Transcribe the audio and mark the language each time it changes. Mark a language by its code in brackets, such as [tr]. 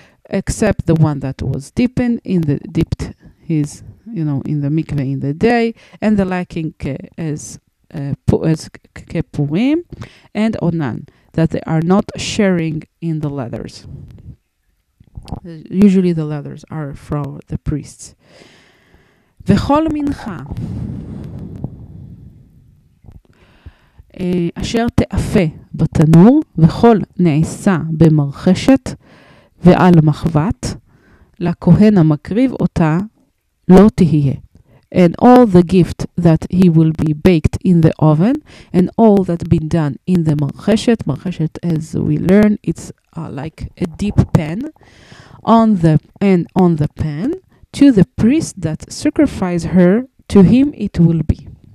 [en] Except the one that was dipped his, in the mikveh in the day, and the lacking as kepurim and onan, that they are not sharing in the leathers. Usually the leathers are from the priests. [he] וכל מנחה אשר תאפה בתנור וכל נעשה במרחשת ועל מחבת לכהן המקריב אותה לא תהיה. [en] And all the gift that he will be baked in the oven, and all that been done in the marcheshet. Marcheshet, as we learn, it's like a deep pan on the pan to the priest that sacrifice her, to him it will be.